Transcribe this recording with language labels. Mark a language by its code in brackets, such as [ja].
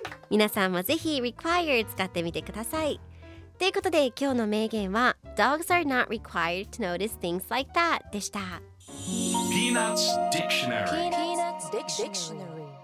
[ja] 皆さんもぜひ require 使ってみてください。ということで今日の名言は [en] Dogs are not required to notice things like that [ja] でした。ピーナッツディクショナリー。ピーナッツディクショナリー。